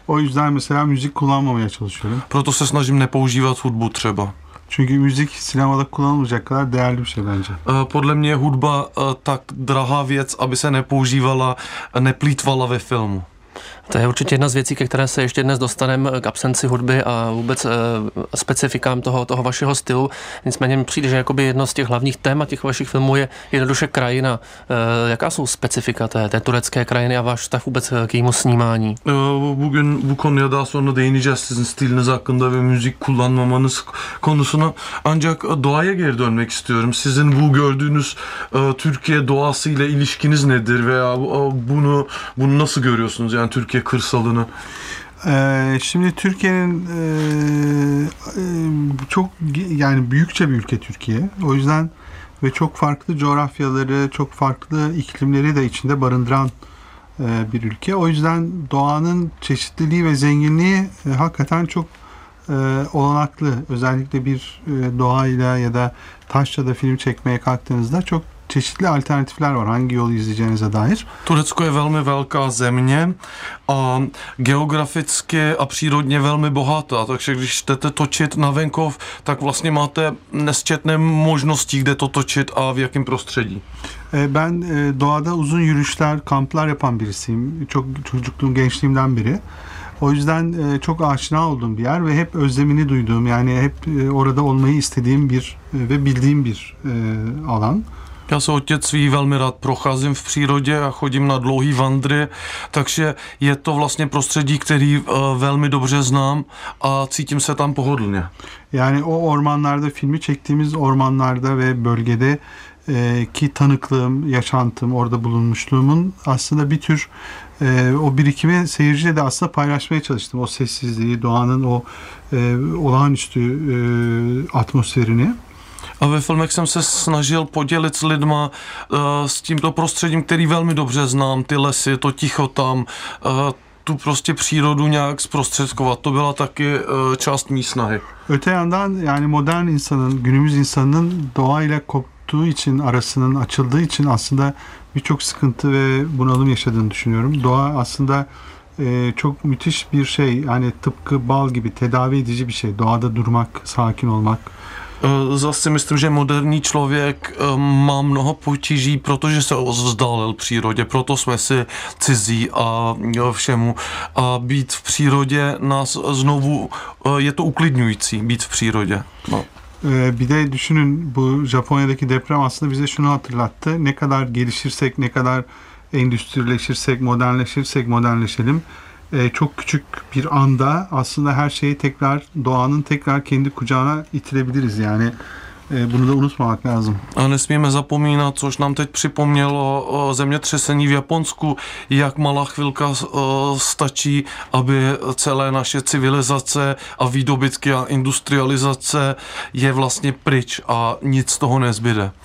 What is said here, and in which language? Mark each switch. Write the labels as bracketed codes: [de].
[tr] O yüzden mesela müzik kullanmamaya çalışıyorum. [cs] Proto se snažím nepoužívat hudbu třeba. [tr] Çünkü müzik sinemada kullanılacak kadar değerli bir şey bence. [cs] Podle mě je hudba tak drahá věc, aby se nepoužívala, neplýtvala ve filmu. To je určitě jedna z věcí, ke které se ještě dnes dostaneme, k absenci hudby a vůbec specifikám toho vašeho stylu. Nicméně mi přijde, že jakoby jedno z těch hlavních témat těch vašich filmů je jednoduše krajina. Jaká jsou specifika té turecké krajiny a váš vztah vůbec k jejímu snímání? [tr] Bugün bu konuya daha sonra değineceğiz sizin stiliniz hakkında ve müzik kullanmamanız konusuna. Ancak doğaya geri dönmek istiyorum. Sizin bu gördüğünüz Türkiye doğasıyla ilişkiniz nedir veya bunu nasıl görüyorsunuz? Yani Türkiye kırsalını. Şimdi Türkiye'nin çok yani büyükçe bir ülke Türkiye. O yüzden ve çok farklı coğrafyaları, çok farklı iklimleri de içinde barındıran bir ülke. O yüzden doğanın çeşitliliği ve zenginliği hakikaten çok olanaklı. Özellikle bir doğayla ya da taşla da film çekmeye kalktığınızda çok çeşitli alternatifler var hangi yolu izleyeceğinize dair. [cs] Turecko je velmi velká země a geograficky a přírodně velmi bohatá, takže když chcete točit na venkov, tak vlastně máte nesčetné možnosti, kde to točit a v jakém prostředí. [tr] Ben doğada uzun yürüyüşler, kamplar yapan birisiyim. Çok çocukluğum, gençliğimden beri. O yüzden çok aşina olduğum bir yer ve hep özlemini duyduğum, yani hep orada olmayı istediğim bir ve bildiğim bir alan. [cs] Já se od dětství velmi rád procházím v přírodě a chodím na dlouhý vandry, takže je to vlastně prostředí, který velmi dobře znám a cítím se tam pohodlně. [tr] Yani o ormanlarda filmi çektiğimiz ormanlarda ve bölgede ki tanıklığım, yaşantım, orada bulunmuşluğumun aslında bir tür o birikimi seyirciyle de aslında paylaşmaya çalıştım. O sessizliği, doğanın o olağanüstü atmosferini. [cs] A ve filmech jsem se snažil podělit s lidma s tímto prostředím, který velmi dobře znám, ty lesy, to ticho tam, tu prostě přírodu nějak zprostředkovat. To byla taky část mý snahy. [tr] Öte yandan, yani modern insanın, günümüz insanının doğayla koptuğu koptuğu için, arasının açıldığı için aslında birçok sıkıntı ve bunalım yaşadığını düşünüyorum. Doğa aslında çok müthiş bir şey. Hani tıpkı bal gibi tedavi edici bir şey. Doğada durmak, sakin olmak. [cs] Zase myslím, že moderní člověk má mnoho potíží, protože se vzdálil přírodě, proto jsme si cizí a všemu. A být v přírodě nás znovu, je to uklidňující, být v přírodě. No. [tr] Bir de düşünün, bu Japonya'daki deprem aslında bize şunu hatırlattı. Ne kadar gelişirsek, ne kadar endüstrileşirsek, modernleşirsek, modernleşelim. Çok küçük bir anda aslında her şeyi tekrar, doğanın tekrar kendi kucağına itirebiliriz. Yani bunu da unutmamak lazım. [cs] A nesmíme zapomínat, což nám teď připomnělo zemětřesení v Japonsku, jak malá chvilka stačí, aby celé naše civilizace a výdobytky a industrializace je vlastně pryč a nic z toho nezbyde.